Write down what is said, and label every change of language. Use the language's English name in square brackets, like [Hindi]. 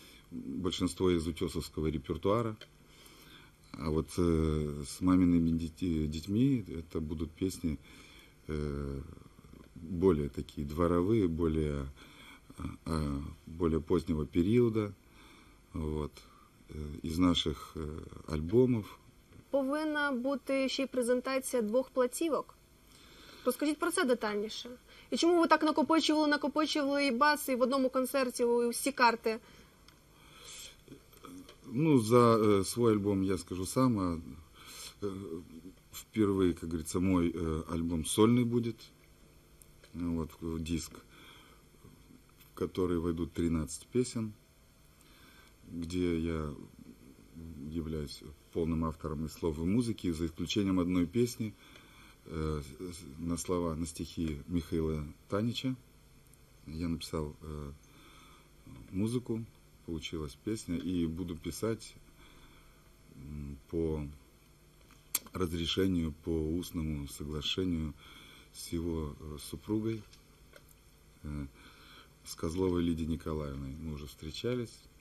[Russian] Большинство из утесовского репертуара. А вот с «Мамиными детьми» это будут песни более такие дворовые, более позднего периода. [Ukrainian] Вот, із наших альбомів. Повинна бути ще й презентація двох платівок. Розкажіть про це детальніше. І чому ви так накопичували і бас, і в одному концерті, і всі карти? Ну, за свій альбом я скажу сам. Вперше, як говориться, мій альбом сольний буде. Вот, диск, в який войдуть 13 пісень. [Russian] Где я являюсь полным автором и слов, и музыки, за исключением одной песни на слова, на стихи Михаила Танича. Я написал музыку, получилась песня, и буду писать по разрешению, по устному соглашению с его супругой, с Козловой Лидией Николаевной. Мы уже встречались.